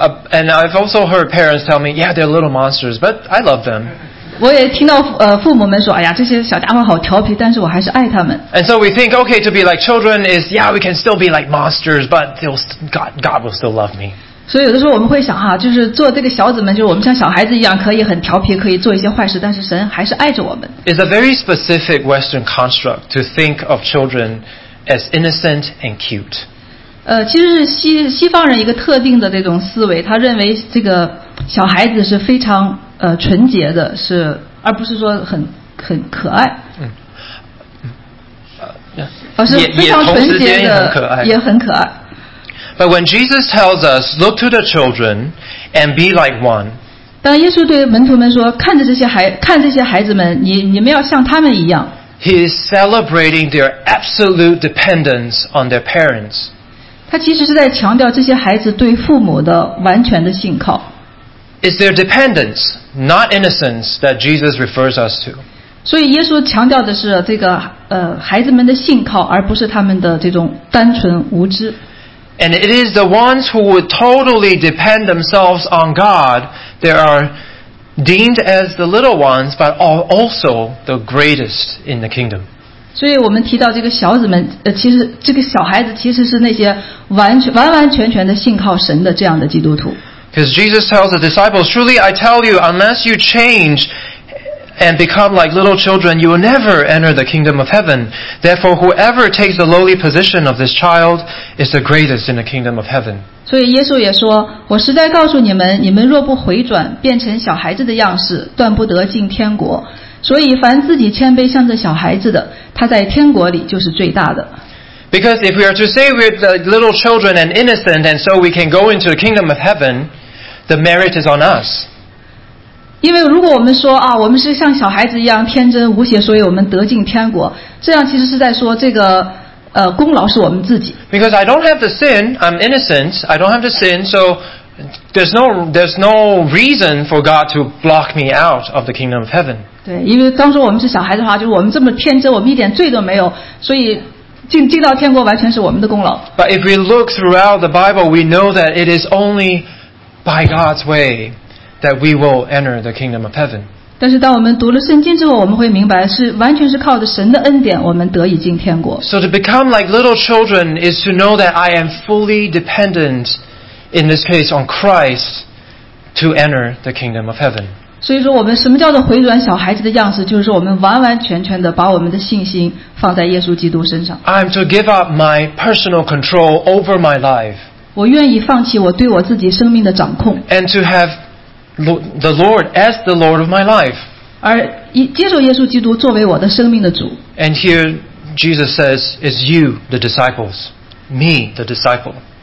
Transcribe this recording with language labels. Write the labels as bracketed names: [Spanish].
[English] And I've also heard parents tell me, yeah, they're little monsters, but I love them. [Chinese] 我也听到父母们说，哎呀，这些小家伙好调皮，但是我还是爱他们。 [English] And so we think, okay, to be like children is, yeah, we can still be like monsters, but God will still love me. [Chinese] 所以有的时候我们会想啊，就是做这个小子们，就是我们像小孩子一样，可以很调皮，可以做一些坏事，但是神还是爱着我们。 [English] It's a very specific Western construct to think of children as innocent and cute. [Chinese] 其实是西方人一个特定的这种思维，他认为这个小孩子是非常纯洁的，是而不是说很可爱。是非常纯洁的，也很可爱。 [English] But when Jesus tells us, look to the children and be like one. [Chinese] 当耶稣对门徒们说，看这些孩子们，你们要像他们一样。 [English] He is celebrating their absolute dependence on their parents. [Chinese] 他其实是在强调这些孩子对父母的完全的信靠。 [English] It's their dependence, not innocence, that Jesus refers us to. [Chinese] 所以耶稣强调的是这个孩子们的信靠，而不是他们的这种单纯无知。 [English] And it is the ones who would totally depend themselves on God that are deemed as the little ones, but are also the greatest in the kingdom. [Chinese] 所以我们提到这个小子们，其实这个小孩子其实是那些完完全全的信靠神的这样的基督徒。 [English] Because Jesus tells the disciples, truly I tell you, unless you change and become like little children, you will never enter the kingdom of heaven. Therefore, whoever takes the lowly position of this child is the greatest in the kingdom of heaven. [Chinese] 所以耶稣也说，我实在告诉你们，你们若不回转，变成小孩子的样式，断不得进天国。所以凡自己谦卑像这小孩子的，他在天国里就是最大的。 [English] Because if we are to say we're the little children and innocent, and so we can go into the kingdom of heaven, the merit is on us. [Chinese] 因为如果我们说啊，我们是像小孩子一样天真无邪，所以我们得进天国，这样其实是在说这个功劳是我们自己。 [English] Because I don't have the sin, I'm innocent. I don't have the sin, so there's no reason for God to block me out of the kingdom of heaven. [Chinese] 对，因为当说我们是小孩子的话，就是我们这么天真，我们一点罪都没有，所以。进到天国完全是我们的功劳。 [English] But if we look throughout the Bible, we know that it is only by God's way that we will enter the kingdom of heaven. [Chinese] 但是当我们读了圣经之后，我们会明白是完全是靠着神的恩典，我们得以进天国。 [English] So to become like little children is to know that I am fully dependent, in this case, on Christ to enter the kingdom of heaven. [Chinese] 所以说我们什么叫做回转小孩子的样式，就是说我们完完全全的把我们的信心放在耶稣基督身上。 [English] I'm to give up my personal control over my life. [Chinese] 我愿意放弃我对我自己生命的掌控。 [English] And to have the Lord as the Lord of my life. [Chinese] 而接受耶稣基督作为我的生命的主。 [English] And here Jesus says, it's you, the disciples. Me, the disciple.